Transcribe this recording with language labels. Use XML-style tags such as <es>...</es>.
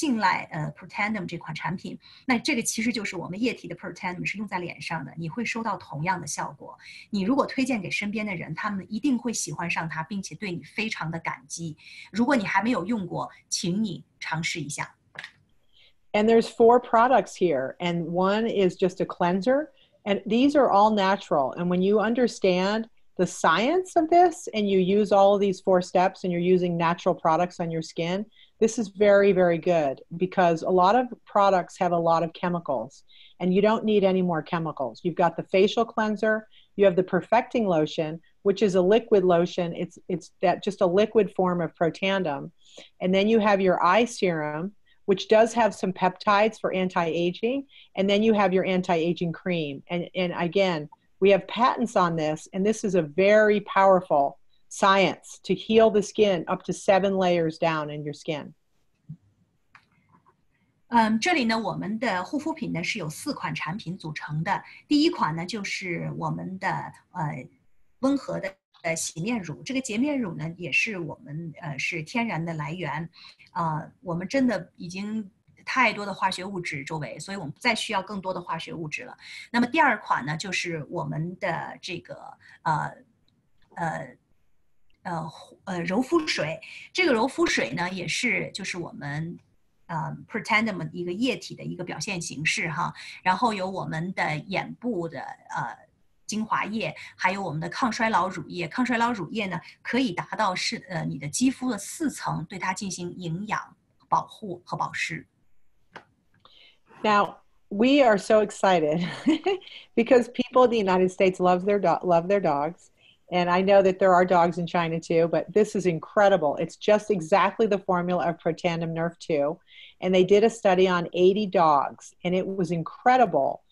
<zh>所以呢，这款产品我们是现在中国和台湾市场呢都已经有了，它在中国群我们华人当中呢也非常的成功，大家相信就很信赖protandim这款产品。那这个其实就是我们液体的 protandim 是用在脸上的，你会收到同样的效果。你如果推荐给身边的人，他们一定会喜欢上它，并且对你非常的感激。如果你还没有用过，请你尝试一下。</zh> <en>And there's four products here, and one is just a cleanser, and these are all natural. And when you understand the science of this, and you use all of these four steps, and you're using natural products on your skin, this is very, very good, because a lot of products have a lot of chemicals, and you don't need any more chemicals. You've got the facial cleanser, you have the perfecting lotion, which is a liquid lotion. It's that just a liquid form of protandim, and then you have your eye serum, which does have some peptides for anti-aging, and then you have your anti-aging cream. And again, we have patents on this, and this is a very powerful science to heal the skin up to 7 layers down in your skin.</en> <zh>这里呢，我们的护肤品呢是有四款产品组成的。第一款呢就是我们的温和的。洗面乳，这个洁面乳呢，也是我们是天然的来源，我们真的已经太多的化学物质周围，所以我们不再需要更多的化学物质了。那么第二款呢，就是我们的这个柔肤水，这个柔肤水呢，也是就是我们protandim 一个液体的一个表现形式哈。然后有我们的眼部的精华液，还有我们的抗衰老乳液。抗衰老乳液呢，可以达到是你的肌肤的四层，对它进行营养保护和保湿。</zh> <en>Now we are so excited because people in the United States love their dogs, and I know that there are dogs in China too. But this is incredible. It's just exactly the formula of Protandim Nerve 2, and they did a study on 80 dogs, and it was incredible.</en>